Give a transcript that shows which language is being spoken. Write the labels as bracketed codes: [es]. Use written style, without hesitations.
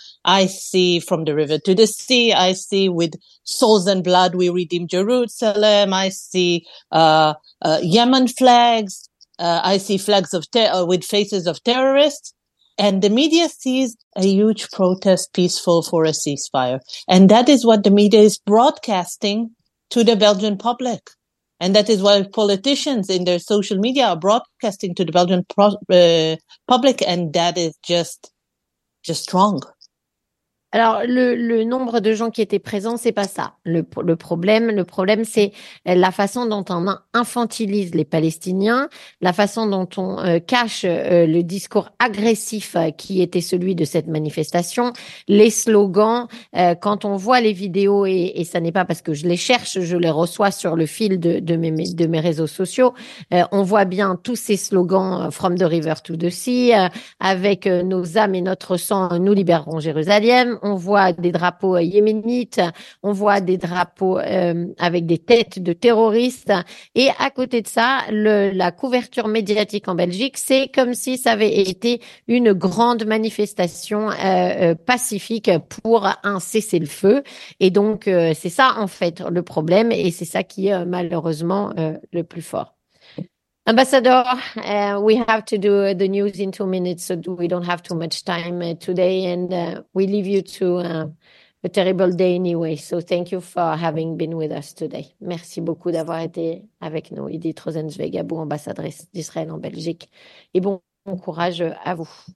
[en] I see from the river to the sea, I see with souls and blood we redeem Jerusalem, I see Yemen flags, I see flags of with faces of terrorists, and the media sees a huge protest peaceful for a ceasefire. And that is what the media is broadcasting to the Belgian public. And that is why politicians in their social media are broadcasting to the Belgian public, and that is just wrong. [fr] Alors, le nombre de gens qui étaient présents, c'est pas ça le problème. Le problème, c'est la façon dont on infantilise les Palestiniens, la façon dont on cache le discours agressif qui était celui de cette manifestation, les slogans. Quand on voit les vidéos, et ça n'est pas parce que je les cherche, je les reçois sur le fil de mes réseaux sociaux, on voit bien tous ces slogans « [en] From the river to the sea [fr] », avec « Nos âmes et notre sang, nous libérerons Jérusalem ». on voit des drapeaux yéménites, on voit des drapeaux avec des têtes de terroristes. Et à côté de ça, la couverture médiatique en Belgique, c'est comme si ça avait été une grande manifestation pacifique pour un cessez-le-feu. Et donc, c'est ça, en fait, le problème. Et c'est ça qui est malheureusement le plus fort. [en] Ambassador, we have to do the news in 2 minutes, so we don't have too much time today, and we leave you to a terrible day anyway. So thank you for having been with us today. [fr] Merci beaucoup d'avoir été avec nous, Edith Rosenzweig, Abou, ambassadrice d'Israël en Belgique. Et bon courage à vous.